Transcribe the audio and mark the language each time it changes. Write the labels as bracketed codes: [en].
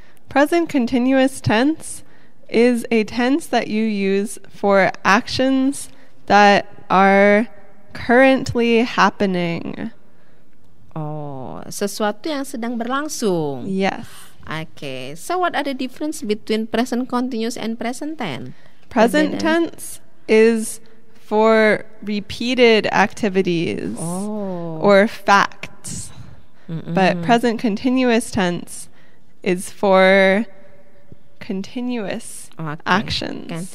[en] Present continuous tense is a tense that you use for actions that are currently happening. [id] Oh, sesuatu yang sedang berlangsung. [en] Yes. Okay. So what are the difference between present continuous and present tense? Present tense is for repeated activities or facts. Mm-mm. But present continuous tense is for continuous actions.